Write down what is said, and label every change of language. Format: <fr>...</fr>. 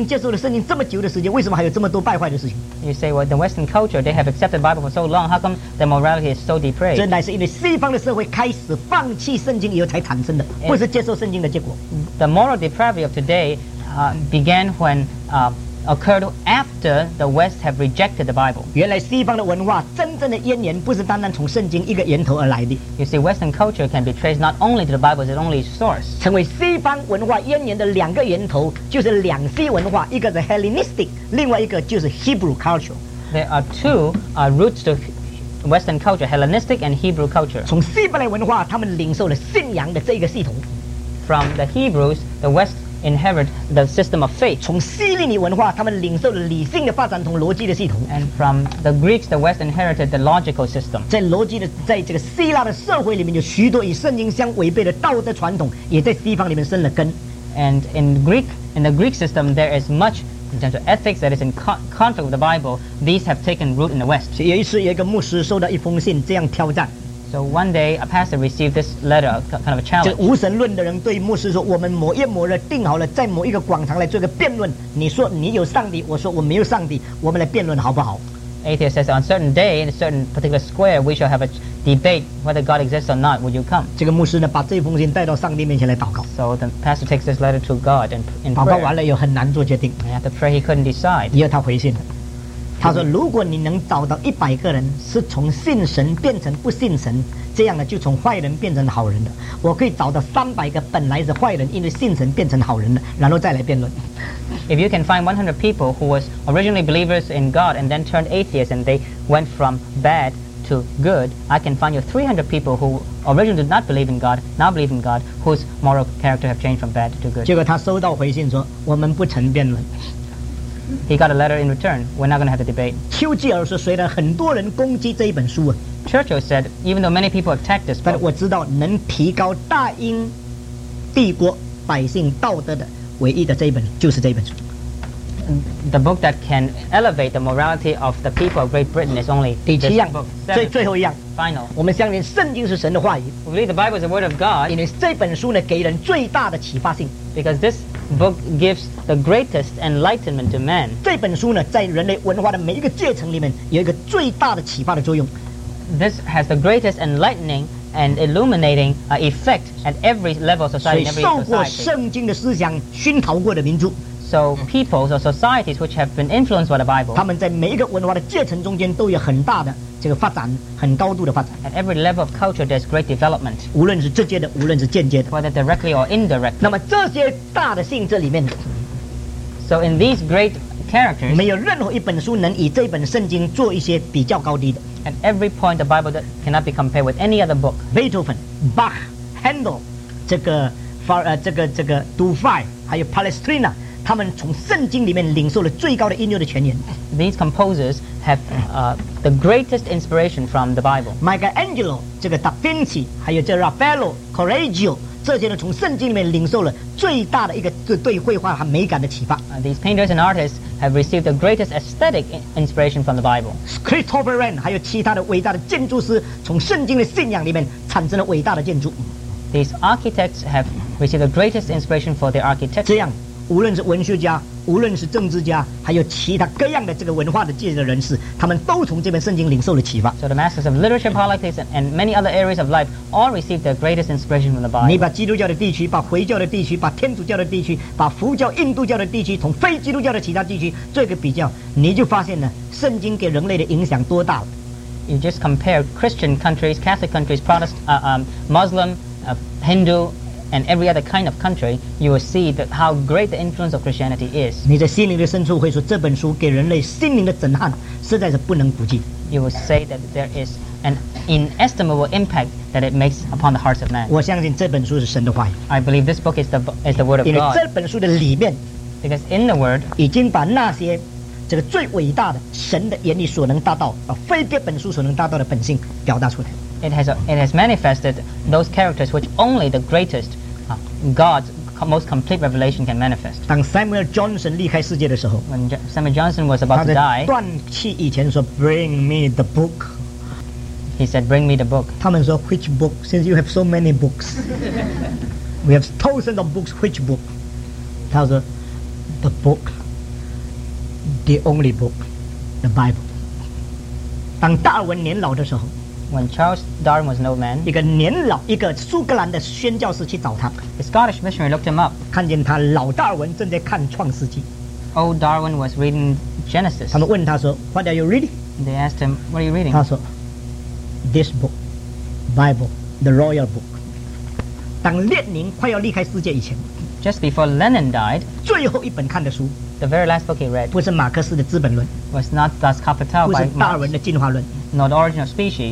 <zh>你说今天西方的社会道德这么沦落，是不是他们已经接受了圣经这么久的时间，为什么还有这么多败坏的事情？</zh> <en>You say, well, the Western culture, they have accepted the Bible for so long, how come their morality is so depraved?</en> <zh>这乃是因为西方的社会开始放弃圣经以后才产生的，不是接受圣经的结果。</zh> <en>The moral depravity of today began when occurred after the West have rejected the Bible.</en> <zh>原来西方的文化真正的咽炎不是单单从圣经一个源头而来的。</zh> <en>You see, Western culture can be traced not only to the Bible, it's only source.</en> <zh>成为西方文化咽炎的两个源头就是两西文化，一个是 Hellenistic, 另外一个就是 Hebrew culture.</zh> <en>There are two roots to Western culture, Hellenistic and Hebrew culture.</en> <zh>从希伯来文化，他们领受了信仰的这个系统。</zh> <en>From the Hebrews, the West inherit the system of faith.</en> <zh>从希腊文化，他们领受了理性的发展同逻辑的系统。</zh> <en>And from the Greeks, the West inherited the logical system.</en> <zh>在逻辑的，在这个希腊的社会里面，有许多与圣经相违背的道德传统，也在西方里面生了根。</zh> <en>And in the Greek system, there is much in terms of ethics that is in conflict with the Bible. These have taken root in the West.</en> <zh>有一次，有一个牧师收到一封信，这样挑战。</zh> <en>So one day, a pastor received this letter, kind of a challenge.</en> <zh>就无神论的人对牧师说：“我们某夜某日定好了，在某一个广场来做个辩论。你说你有上帝，我说我没有上帝，我们来辩论好不好？”</zh> <en>Atheist says, "On a certain day, in a certain particular square, we shall have a debate whether God exists or not. Would you come?"</en> <zh>这个牧师呢，把这封信带到上帝面前来祷告。</zh> <en>So the pastor takes this letter to God and in prayer.</en> <zh>祷告完了又很难做决定。</zh> <en>And after prayer, he couldn't decide.</en> <zh>又他回信了。他说：“如果你能找到100个人是从信神变成不信神，这样呢就从坏人变成好人的，我可以找到300个本来是坏人，因为信神变成好人的，然后再来辩论。”</zh> <en>If you can find 100 people who was originally believers in God and then turned atheists and they went from bad to good, I can find you 300 people who originally did not believe in God, now believe in God, whose moral character have changed from bad to good.</en> <zh>结果他收到回信说：“我们不成辩论。”</zh> <en>He got a letter in return. We're not going to have the debate.</en> <zh>丘吉尔说：“虽然很多人攻击这一本书啊。”</zh> <en>Churchill said, even though many people attacked this book, but</en> <zh>我知道能提高大英帝国百姓道德的唯一的这一本就是这一本书。</zh> <en>The book that can elevate the morality of the people of Great Britain is only this book.</en> <zh>第七样，最后一样。</zh> <en>Final.</en> <zh>我们相信圣经是神的话语。</zh> <en>We believe the Bible is the word of God.</en> <zh>因为这本书呢，给人最大的启发性。</zh> <en>Because this book gives the greatest enlightenment to man.</en> <zh>这本书呢，在人类文化的每一个阶层里面，有一个最大的启发的作用。</zh> <en>This has the greatest enlightening and illuminating effect at every level of society.</en> <zh>所以受过圣经的思想熏陶过的民族。</zh> <en>So peoples or societies which have been influenced by the Bible,</en> <zh>他们在每一个文化的阶层中间都有很大的这个发展，很高度的发展。</zh> <en>At every level of culture, there's great development.</en> <zh>无论是直接的，无论是间接的。</zh> <en>Whether directly or indirectly.</en> <zh>那么这些大的性质里面</zh> <en>，So in these great characters,</en> <zh>没有任何一本书能以这本圣经做一些比较高低的。</zh> <en>At every point, the Bible cannot be compared with any other book.</en> <zh>Beethoven, Bach, Handel, 这个 Dufay, 还有 Palestrina。他们从圣经里面领受了最高的音乐的泉源。</zh> <en>These composers have the greatest inspiration from the Bible.</en> <zh>Michelangelo, 这个 Da Vinci, 还有这 Raffaello, Correggio, 这些呢从圣经里面领受了最大的一个对绘画和美感的启发。</zh> <en>These painters and artists have received the greatest aesthetic inspiration from the Bible.</en> <zh>Christopher Wren, 还有其他的伟大的建筑师从圣经的信仰里面产生了伟大的建筑。</zh> <en>These architects have received the greatest inspiration for their architecture.</en> <zh>这样无论是文学家，无论是政治家，还有其他各样的这个文化的界的人士，他们都从这本圣经领受了启发。</zh> <en>So the masters of literature, politics, and many other areas of life all received the greatest inspiration from the Bible.</en> <zh>你把基督教的地区、把回教的地区、把天主教的地区、把佛教、印度教的地区，同非基督教的其他地区做一个比较，你就发现了圣经给人类的影响多大了。</zh> <en>You just compare Christian countries, Catholic countries, Protestant, Muslim, Hindu. And every other kind of country, you will see that how great the influence of Christianity is.</en> <zh>你在心灵的深处会说，这本书给人类心灵的震撼，实在是不能估计。</zh> <en>You will say that there is an inestimable impact that it makes upon the hearts of man.</en> <zh>我相信这本书是神的话语。</zh> <en>I believe this book is the word of God.</en> <zh>因为这本书的里面</zh> <en>，because in the word</en> <zh>已经把那些这个最伟大的神的眼里所能达到，而非这本书所能达到的本性表达出来。</zh> <en>It has manifested those characters which only the greatest God's most complete revelation can manifest.</en> <zh>当 Samuel Johnson 离开世界的时候</zh> <en>，When Samuel Johnson was about to die，</en> <zh>他在断气以前说 ，</zh> <en>Bring me the book. He said, "Bring me the book."</en> <zh>他们说</zh> <en>，Which book? Since you have so many books, we have thousands of books. Which book?</en> <zh>他说</zh> <en>，The book, the only book, the Bible.</en> <zh>当达尔文年老的时候。</zh> <en>When Charles Darwin was an old man,</en> <zh>一个年老一个苏格兰的宣教士去找他。</zh> <en>A Scottish missionary looked him up.</en> <zh>看见他老达尔文正在看《创世纪》。</zh> <en>Old Darwin was reading Genesis.</en> <zh>他们问他说 ，</zh> <en>What are you reading? They asked him, What are you reading?</en> <zh>他说</zh> <en>，This book, Bible, the royal book.</en> <zh>当列宁快要离开世界以前</zh> <en>，Just before Lenin died,</en> <zh>最后一本看的书</zh> <en>，The very last book he read,</en> <zh>不是马克思的《资本论》</zh> <en>，Was not Das Kapital,</en> <zh>不是达尔文的《进化论》。</zh> <en>Nor the origin of species.</en>